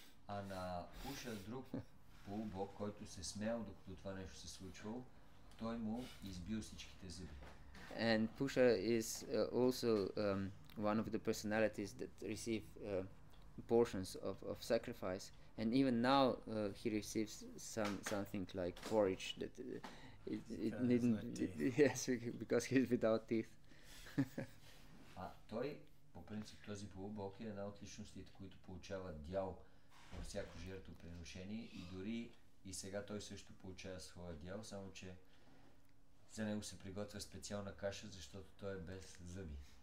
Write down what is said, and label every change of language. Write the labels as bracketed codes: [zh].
[bg] А на Пуша друг полубог, който се смеял докато това нещо се случвало, той му избил всичките зъби. [en] And Pusha is also one of the personalities that receive portions of sacrifice, and even now he receives something like porridge that it needn't, yes, because he's without teeth. [bg] А той по принцип този полубог е една от личностите, които получават дял във всяко жертвоприношение, и дори и сега той също получава своя дял, само че за него се приготвя специална каша, защото той е без зъби.